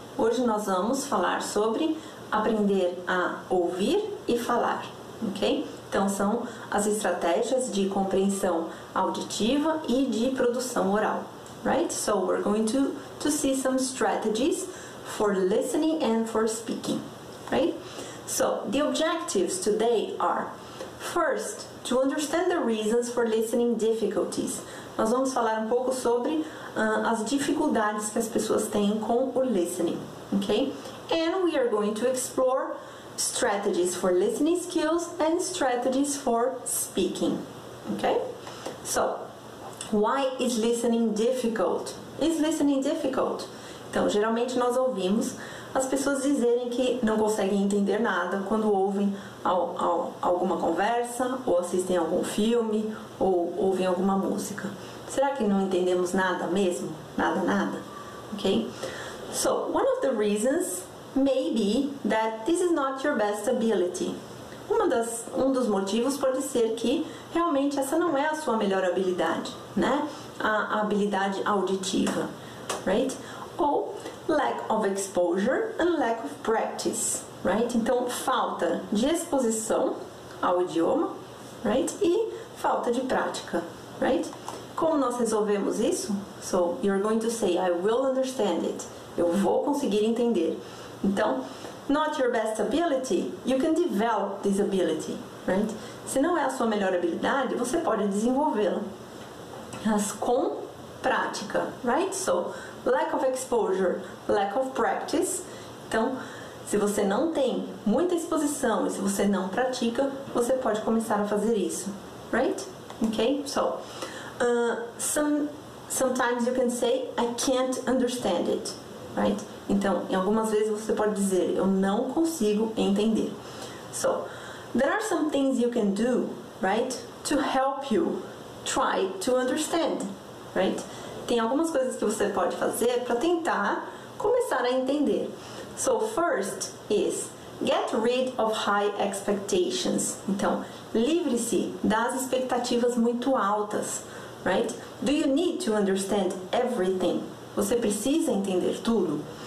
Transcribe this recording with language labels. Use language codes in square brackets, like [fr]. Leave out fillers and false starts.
[pt] Hoje nós vamos falar sobre aprender a ouvir e falar, ok? Então são as estratégias de compreensão auditiva e de produção oral, right? [en] So we're going to see some strategies for listening and for speaking, right? So the objectives today are, first, to understand the reasons for listening difficulties. [pt] Nós vamos falar um pouco sobre as dificuldades que as pessoas têm com o listening, ok? [en] And we are going to explore strategies for listening skills and strategies for speaking, ok? So, why is listening difficult? Is listening difficult? [pt] Então, geralmente nós ouvimos as pessoas dizerem que não conseguem entender nada quando ouvem alguma conversa, ou assistem algum filme, ou ouvem alguma música. Será que não entendemos nada mesmo? Nada? Ok? [en] So, one of the reasons may be that this is not your best ability. [pt] Um dos motivos pode ser que realmente essa não é a sua melhor habilidade, né? A habilidade auditiva, right? [en] Ou lack of exposure and lack of practice, right? [pt] Então, falta de exposição ao idioma, right? E falta de prática, right? Como nós resolvemos isso? [en] So, you're going to say, I will understand it. [pt] Eu vou conseguir entender. [en] Então, not your best ability, you can develop this ability, right? [pt] Se não é a sua melhor habilidade, você pode desenvolvê-la. Mas com prática, right? [en] So, lack of exposure, lack of practice. [pt] Então, se você não tem muita exposição e se você não pratica, você pode começar a fazer isso, right? [en] Okay, so... Sometimes you can say, I can't understand it, right? [pt] Então, em algumas vezes você pode dizer, eu não consigo entender. [en] So, there are some things you can do, right, to help you try to understand, right? [pt] Tem algumas coisas que você pode fazer para tentar começar a entender. [en] So, first is, get rid of high expectations. [pt] Então, livre-se das expectativas muito altas. Right? [en] Do you need to understand everything? [pt] Você precisa entender tudo?